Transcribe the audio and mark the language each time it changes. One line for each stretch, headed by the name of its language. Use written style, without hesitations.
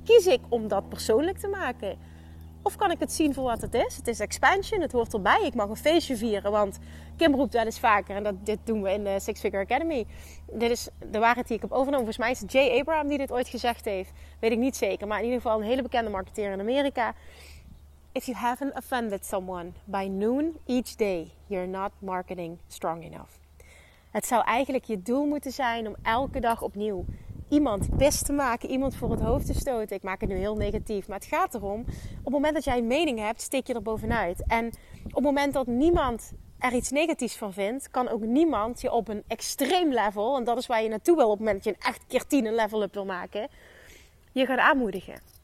Dutch: Kies ik om dat persoonlijk te maken? Of kan ik het zien voor wat het is? Het is expansion, het hoort erbij. Ik mag een feestje vieren, want Kim roept wel eens vaker. En dit doen we in de Six Figure Academy. Dit is de waarheid die ik heb overgenomen. Volgens mij is het Jay Abraham die dit ooit gezegd heeft. Weet ik niet zeker, maar in ieder geval een hele bekende marketeer in Amerika.
English: If you haven't offended someone by noon each day, you're not marketing strong enough.
Dutch: Het zou eigenlijk je doel moeten zijn om elke dag opnieuw iemand pis te maken, iemand voor het hoofd te stoten. Ik maak het nu heel negatief. Maar het gaat erom, op het moment dat jij een mening hebt, steek je er bovenuit. En op het moment dat niemand er iets negatiefs van vindt, kan ook niemand je op een extreem level, en dat is waar je naartoe wil op het moment dat je een echt keer 10 een level up wil maken, je gaat aanmoedigen.